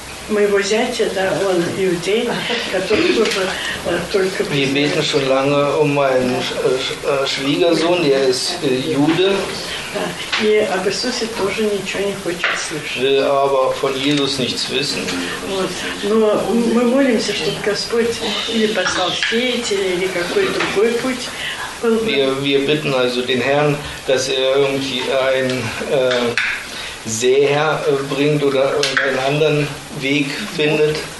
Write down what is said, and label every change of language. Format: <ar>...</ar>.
<ru>Моего зятя, да, он иудей, который тоже только...</ru> <de>Wir beten schon lange um meinen Schwiegersohn, der ist Jude.</de> <ru>И об Иисусе тоже ничего не хочет слышать.</ru> <de>Will aber von Jesus nichts wissen.</de> <ru>Но мы молимся, чтобы Господь или послал сеятеля, или какой-то другой путь.</ru> <de>Wir bitten also den Herrn, dass er irgendwie ein... Seher bringt oder einen anderen Weg findet.</de>